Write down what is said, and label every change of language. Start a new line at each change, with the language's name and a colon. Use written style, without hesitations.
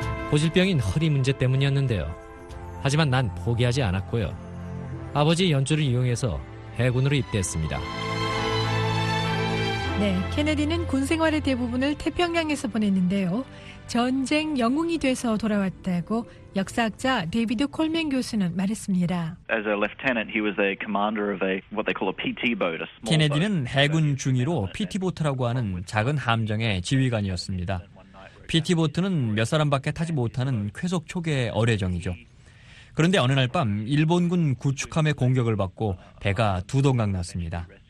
Korean: 고질병인 허리 문제 때문이었는데요. 하지만 난 포기하지 않았고요. 아버지의 연주를 이용해서 해군으로 입대했습니다. 네, 케네디는 군 생활의 대부분을 태평양에서 보냈는데요. 전쟁 영웅이 돼서 돌아왔다고 역사학자 데이비드 콜맨 교수는 말했습니다.
English: As a lieutenant, he was a commander of a what they call a PT boat.
Korean: 케네디는 해군 중위로 PT 보트라고 하는 작은 함정의 지휘관이었습니다. PT보트는 몇 사람밖에 타지 못하는 쾌속 초계 어뢰정이죠. 그런데 어느 날 밤 일본군 구축함의 공격을 받고 배가 두동강 났습니다.